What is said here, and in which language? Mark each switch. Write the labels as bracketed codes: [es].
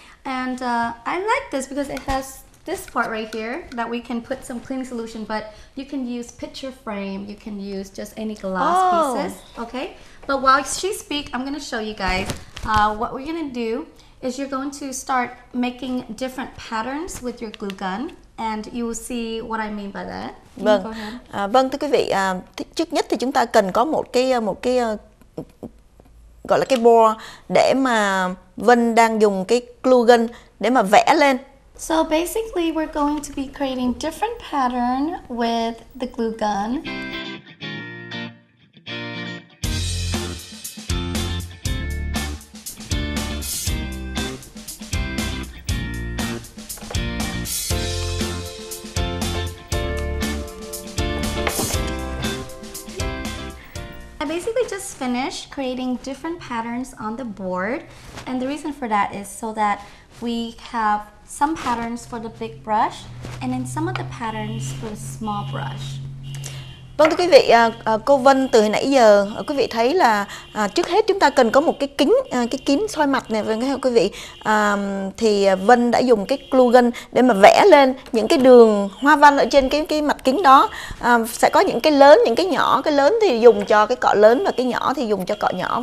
[en] And I like this because it has this part right here that we can put some cleaning solution, but you can use picture frame, you can use just any glass pieces, okay? But while she speaks, I'm gonna show you guys what we're gonna do is you're going to start making different patterns with your glue gun, and you will see what I mean by that. [vi] Vâng. Vâng, thưa quý vị, trước nhất thì chúng ta cần có một cái gọi là cái board để mà Vân đang dùng cái glue gun để mà vẽ lên. [en] So basically we're going to be creating different pattern with the glue gun. Finished creating different patterns on the board, and the reason for that is so that we have some patterns for the big brush and then some of the patterns for the small brush. [vi] Vâng, thưa quý vị, cô Vân từ nãy giờ quý vị thấy là trước hết chúng ta cần có một cái kính soi mặt này, vâng quý vị. Thì Vân đã dùng cái glue gun để mà vẽ lên những cái đường hoa văn ở trên cái mặt kính đó. Sẽ có những cái lớn, những cái nhỏ. Cái lớn thì dùng cho cái cọ lớn và cái nhỏ thì dùng cho cọ nhỏ.